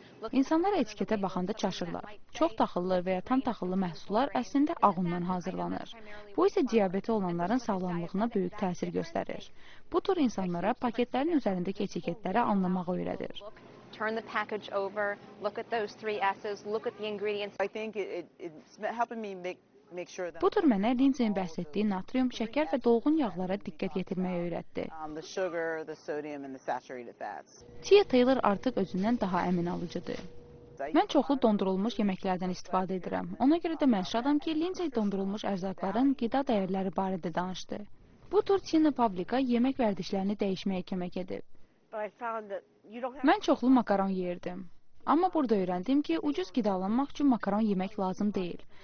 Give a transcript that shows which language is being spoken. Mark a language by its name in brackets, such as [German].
[Azerbaijani] İnsanlar etiketə baxanda çaşırlar. Çox taxıllı və ya tam taxıllı məhsullar əslində ağ undan hazırlanır. Bu isə diabeti olanların sağlamlığına böyük təsir göstərir. Bu tür insanlara paketlərin üzərindəki etiketləri anlamaq öyrədir. [English] Turn the package over, look at those three S's, look at the ingredients. I think it's helping me make sure that [Azerbaijani] bu tür mənə Lindsay'in bəhs etdiyi natrium, şəkər və dolğun yağlara diqqət yetirməyi öyrətdi. [English] The sugar, the sodium and the saturated fats. [Azerbaijani] Tia Taylor artıq özündən daha əmin alıcıdır. Mən çoxlu dondurulmuş yeməklərdən istifadə edirəm. Ona görə də mən şadam ki, Lindsay dondurulmuş ərzaqların qida dəyərləri barədə danışdı. Bu tür Tina Pavlika yemək vərdişlərini dəyişməyə kömək edib. Mən çoxlu makaron yeyirdim. Amma burada öyrəndim ki, ucuz qidalanmaq üçün makaron yemək lazım deyil.